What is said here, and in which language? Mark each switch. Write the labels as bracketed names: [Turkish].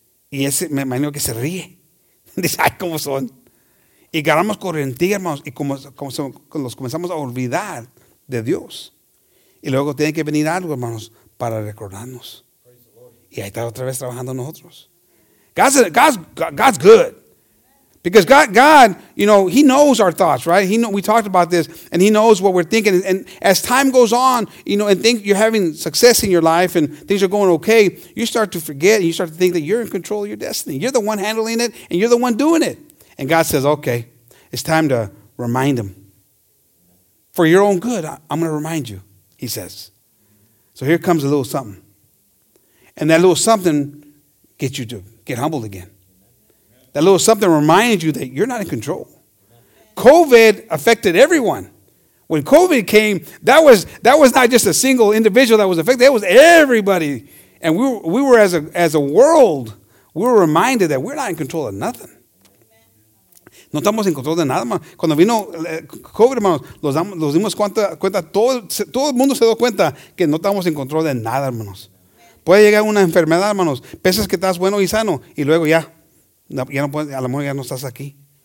[Spanish] Y ese me imagino que se ríe. Dice, ay, ¿cómo son? Y ganamos corriente, hermanos, y como los comenzamos a olvidar de Dios. Y luego tiene que venir algo, hermanos, para recordarnos. Y ahí está otra vez trabajando nosotros. [English] God's good. Because God, you know, he knows our thoughts, right? We talked about this, and he knows what we're thinking. And as time goes on, you know, and think you're having success in your life and things are going okay, you start to forget and you start to think that you're in control of your destiny. You're the one handling it, and you're the one doing it. And God says, okay, it's time to remind him. For your own good, I'm going to remind you, he says. So here comes a little something. And that little something gets you to get humbled again. That little something reminded you that you're not in control. COVID affected everyone. When COVID came, that was not just a single individual that was affected. It was everybody. And we were as a world, we were reminded that we're not in control of nothing. [Spanish] No estamos en control de nada, más. Cuando vino COVID, hermanos, los dimos cuenta, todo el mundo se dio cuenta que no estamos en control de nada, hermanos. Puede llegar una enfermedad, hermanos. Pensas que estás bueno y sano y luego ya no puedes, a lo mejor ya no estás aquí.